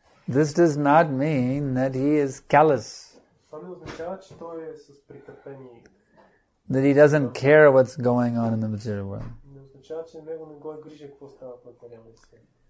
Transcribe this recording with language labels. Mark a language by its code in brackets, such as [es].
[en] This does not mean that he is callous. [bg] Това не означава, че той е с притъпени. [en] That he doesn't care what's going on in the material world. [bg] Не означава, че него не го е грижа какво става в материалния свят.